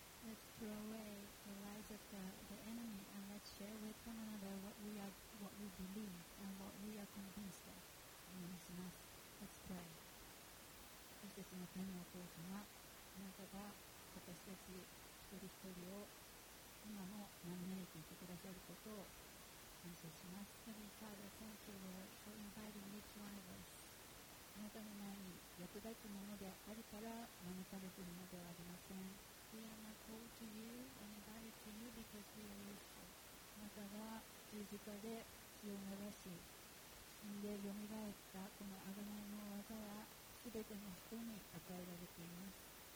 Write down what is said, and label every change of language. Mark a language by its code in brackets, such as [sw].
[en] Let's throw away the lies of the enemy and let's share with one another what we believe and what we are convinced of. [ja] お願いします。 [en] Let's pray. [ja] 私たちの天のお父様、あなたが私たち一人一人を今も招いていてくださることを感謝します。 [en] Heavenly Father, thank you Lord for inviting each one of us. [ja] あなたの前に役立つものであるから招かれているのではありません。 [en] We are not called to you and invited to you because we are useful. [ja] あなたが十字架で血を流し、死んでよみがえったこの贖いの技は全ての人に与えられています。